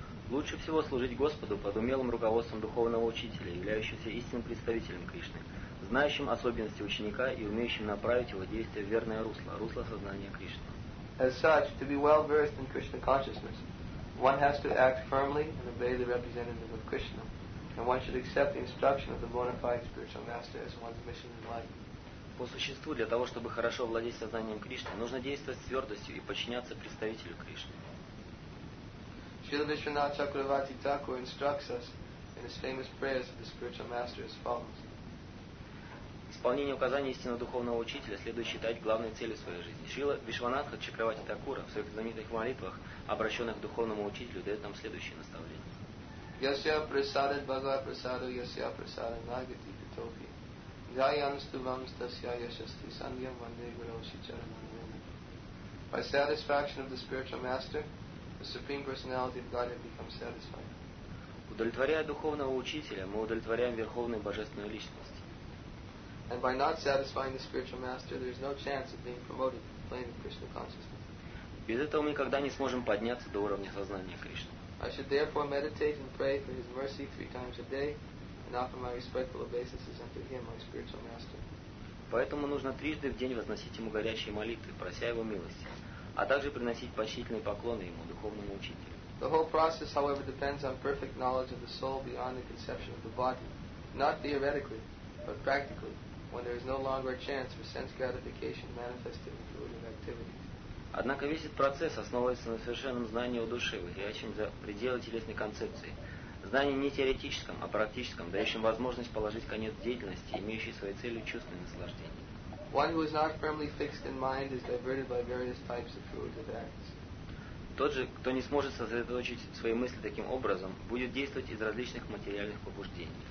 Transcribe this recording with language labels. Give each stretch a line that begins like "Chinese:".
Russian: Лучше всего служить Господу под умелым руководством духовного учителя, являющегося истинным представителем Кришны, знающим особенности ученика и умеющим направить его действия в верное русло, русло сознания Кришны.
English: As such, to be well versed in Krishna consciousness, one has to act firmly and obey the representative of Krishna, and one should accept the instruction of the bona fide spiritual master as one's mission in life.
Russian: По существу, для того чтобы хорошо владеть сознанием Кришны, нужно действовать с твердостью и подчиняться представителю Кришны.
English: Śrīla Viśvanātha Cakravarti Thakura instructs us in his famous prayers to the spiritual master as follows.
Russian: Исполнение указаний истинного духовного учителя следует считать главной целью своей жизни. Шрила Вишванатха Чакравати Такура в своих знаменитых молитвах, обращенных к духовному учителю, дает нам следующее наставление.
Sanskrit: Яся прасада бхага прасада яся прасада нагати питопи. Дайянсту вамстасья яшасти сандья ванде гуравши чарамандвина.
English: By satisfaction of the spiritual master, the supreme personality of Godhead becomes satisfied.
Russian: Удовлетворяя духовного учителя, мы удовлетворяем верховную божественную личность.
English: And by not satisfying the spiritual master, there is no chance of being promoted to the plane of Krishna consciousness.
Russian: Без этого мы никогда не сможем подняться до уровня сознания Кришны.
English: I should therefore meditate and pray for His mercy three times a day, and offer my respectful obeisances unto Him, my spiritual master.
Russian: Поэтому нужно трижды в день возносить ему горячие молитвы, прося его милости, а также приносить почтительные поклоны ему, духовному учителю.
English: The whole process, however, depends on perfect knowledge of the soul beyond the conception of the body, not theoretically, but practically, when there is no longer a chance for sense gratification manifested in fruitive activities.
Russian: Однако весь этот процесс основывается на совершенном знании у души, выходящем за пределы телесной концепции. Знание не теоретическом, а практическом, дающим возможность положить конец деятельности, имеющей своей целью чувственное наслаждение.
English: One who is not firmly fixed in mind is diverted by various types of fruitive acts.
Russian: Тот же, кто не сможет сосредоточить свои мысли таким образом, будет действовать из различных материальных побуждений.